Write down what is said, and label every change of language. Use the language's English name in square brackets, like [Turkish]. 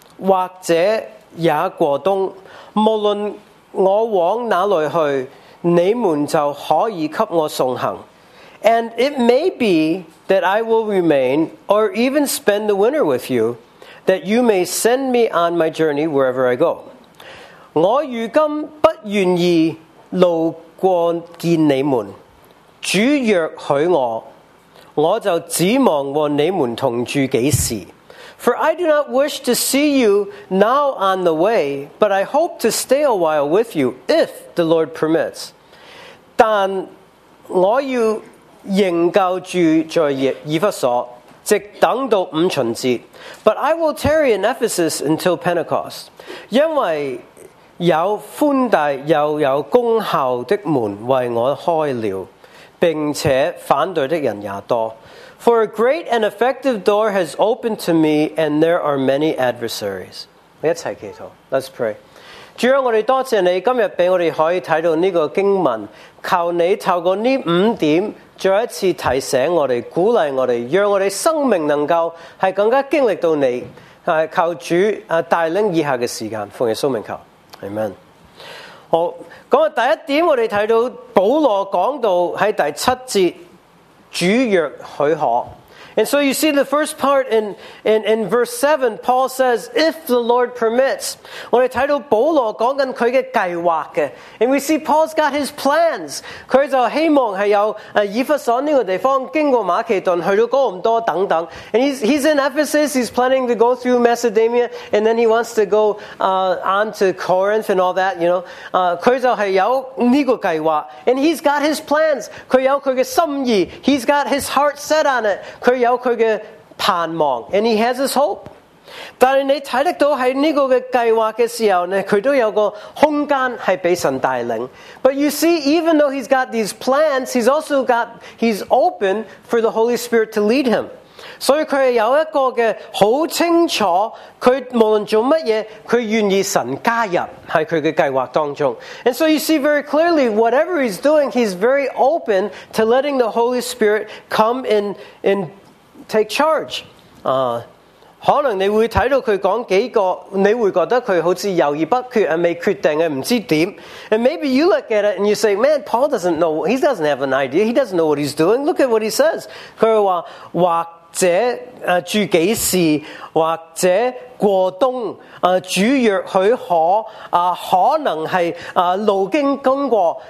[Chinese] 或者也过冬，无论我往哪里去，你们就可以给我送行。 [English] And it may be that I will remain, or even spend the winter with you, that you may send me on my journey wherever I go. [Chinese] 我如今不愿意路过见你们，主若许我，我就指望和你们同住几时。 [English] For I do not wish to see you now on the way, but I hope to stay a while with you, if the Lord permits. [Chinese] 但我要仍旧住在以弗所，直等到五旬节。 [English] But I will tarry in Ephesus until Pentecost. [Chinese] 因为有宽大又有功效的门为我开了，并且反对的人也多。 [English] For a great and effective door has opened to me, and there are many adversaries. [Chinese] 一起祈祷。 [English] Let's pray. [Chinese] 主啊，我们多谢你今天让我们可以看到这个经文，求你透过这五点再一次提醒我们，鼓励我们，让我们生命能够是更加经历到你。求主带领以下的时间，奉耶稣名求。 [English] Amen. [Chinese] 好，那第一点我们看到保罗讲到在第七节，主若许可。 [English] And so you see the first part in verse 7, Paul says, if the Lord permits. [Chinese] 我们看到保罗讲紧他的计划的。 [English] And we see Paul's got his plans. [Chinese] 他就希望是有以弗所这个地方经过马其顿去到哥林多等等。 [English] And he's in Ephesus, he's planning to go through Macedonia, and then he wants to go on to Corinth and all that, you know. [Chinese] 他就是有这个计划。 [English] And he's got his plans. [Chinese] 他有他的心意。 [English] He's got his heart set on it. [Chinese] 他有他的盼望 [English] and he has his hope. [Chinese] 但是你看得到在这个计划的时候呢，他都有个空间是被神带领。 [English] But you see, even though he's got these plans, he's also got, he's open for the Holy Spirit to lead him. [Chinese] 所以他有一个的很清楚，他无论做什么，他愿意神加入在他的计划当中。 [English] And so you see very clearly, whatever he's doing, he's very open to letting the Holy Spirit come and take charge. [Chinese] 可能你会看到他讲几个，你会觉得他好像犹豫不决，未决定，不知点。 [English] And maybe you look at it and you say, man, Paul doesn't know, he doesn't have an idea, he doesn't know what he's doing. Look at what he says. [Chinese] 他说，或者住几时，或者过冬，主若许可，可能是路经经过。